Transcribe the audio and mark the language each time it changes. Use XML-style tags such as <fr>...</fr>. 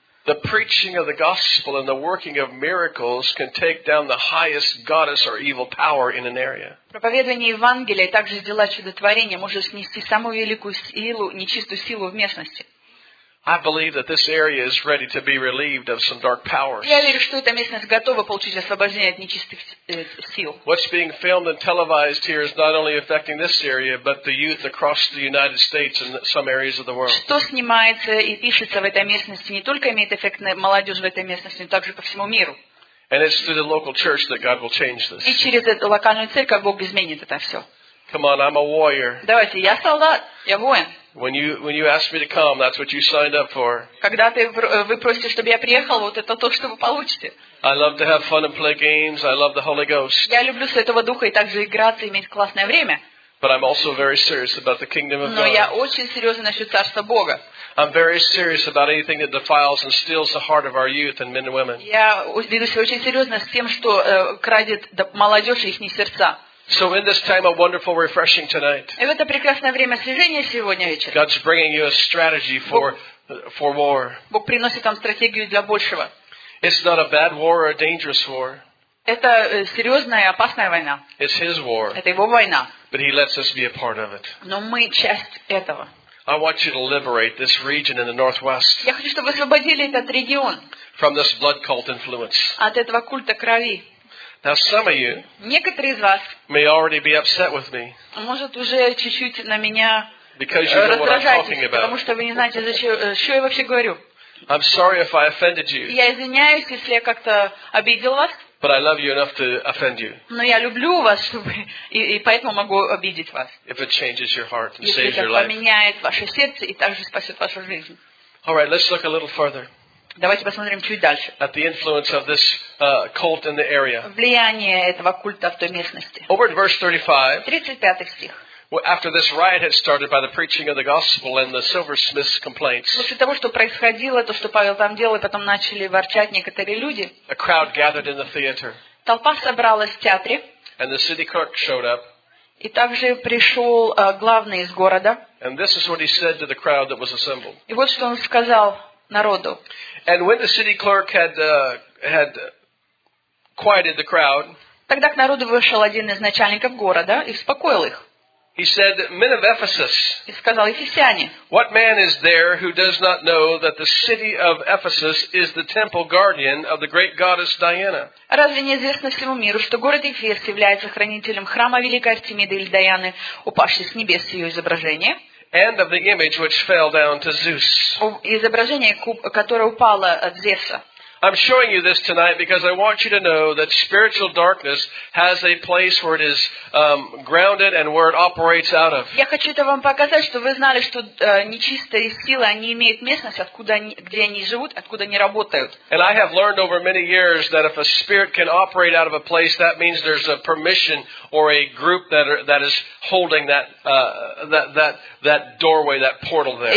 <en>The preaching of the gospel and the working of miracles can take down the highest goddess or evil power in an area.</en> <ru>Проповедование Евангелия и также дела чудотворения может снести самую великую силу, нечистую силу в местности.</ru> <en>I believe that this area is ready to be relieved of some dark powers.</en> <ru>Я верю, что эта местность готова получить освобождение от нечистых сил.</ru> <en>What's being filmed and televised here is not only affecting this area, but the youth across the United States and some areas of the world.</en> <ru>Что снимается и пишется в этой местности не только имеет эффект на молодежь в этой местности, но также по всему миру.</ru> <en>And it's through the local church that God will change this.</en> <ru>И через эту локальную церковь Бог изменит это все.</ru> <en>Come on, I'm a warrior.</en> <ru>Давайте, я солдат, я воин.</ru> <en>When you asked me to come, that's what you signed up for.</en> <ru>Когда вы просите, чтобы я приехал, вот это то, что вы получите.</ru> <en>I love to have fun and play games. I love the Holy Ghost.</en> <ru>Я люблю Святого Духа и также играться, иметь классное время.</ru> <en>But I'm also very serious about the kingdom of God.</en> <ru>Но я очень серьезно насчет царства Бога.</ru> <en>I'm very serious about anything that defiles and steals the heart of our youth and men and women.</en> <ru>Я веду себя очень серьезно с тем, что крадет молодежь и их сердца.</ru> <en>So in this time of wonderful refreshing tonight.</en> <ru>И в это прекрасное время освежения сегодня вечером.</ru> <en>God's bringing you a strategy for war.</en> <ru>Бог приносит вам стратегию для большего.</ru> <en>It's not a bad war or a dangerous war.</en> <ru>Это серьезная и опасная война.</ru> <en>It's his war.</en> <ru>Это его война.</ru> <en>But he lets us be a part of it.</en> <ru>Но мы часть этого.</ru> <en>I want you to liberate this region in the northwest.</en> <ru>Я хочу, чтобы вы освободили этот регион.</ru> <en>From this blood cult influence.</en> <ru>От этого культа крови.</ru> <en>Now some of you</en> <ru>некоторые из вас</ru> <en>may already be upset with me.</en> <ru>Может уже чуть-чуть на меня</ru> <en>because you know what I'm talking about.</en> <ru>Потому что вы не знаете, что я вообще говорю.</ru> <en>I'm sorry if I offended you.</en> <ru>Я извиняюсь, если я как-то обидел вас.</ru> <en>But I love you enough to offend you.</en> <ru>Но я люблю вас, чтобы и поэтому могу обидеть вас.</ru> <en>If it changes your heart and saves your life.</en> <ru>Если поменяет ваше сердце и также спасет вашу жизнь.</ru> <en>All right, let's look a little further.</en> <ru>Давайте посмотрим чуть дальше.</ru> <en>At the influence of this cult in the area.</en> <ru>Влияние этого культа в той местности.</ru> <en>Over in verse 35.</en> <ru>35 стих.</ru> <en>After this riot had started by the preaching of the gospel and the silversmith's complaints.</en> <ru>После того, что происходило, то, что Павел там делал, и потом начали ворчать некоторые люди.</ru> <en>A crowd gathered in the theater.</en> <ru>Толпа собралась в театре.</ru> <en>And the city clerk showed up.</en> <ru>И также пришел главный из города.</ru> <en>And this is what he said to the crowd that was assembled.</en> <ru>И вот что он сказал народу.</ru> <en>And when the city clerk had quieted the crowd.</en> <ru>Тогда к народу вышел один из начальников города и успокоил их.</ru> <en>He said, "Men of Ephesus."</en> <ru>И сказал ефесяне.</ru> <en>What man is there who does not know that the city of Ephesus is the temple guardian of the great goddess Diana?</en> <ru>Разве не известно всему миру, что город Эфес является хранителем храма великой Артемиды или Дианы, упавшей с небес ее изображение?</ru> <en>And of the image which fell down to Zeus.</en> <ru>Изображение, которое упало от Зевса.</ru> <en>I'm showing you this tonight because I want you to know that spiritual darkness has a place where it is grounded and where it operates out of.</en> <ru>Я хочу это вам показать, что вы знали, что нечистые силы, они имеют местность, откуда они, где они живут, откуда они работают.</ru> <en>And I have learned over many years that if a spirit can operate out of a place, that means there's a permission or a group that is holding that doorway, that portal there.</en>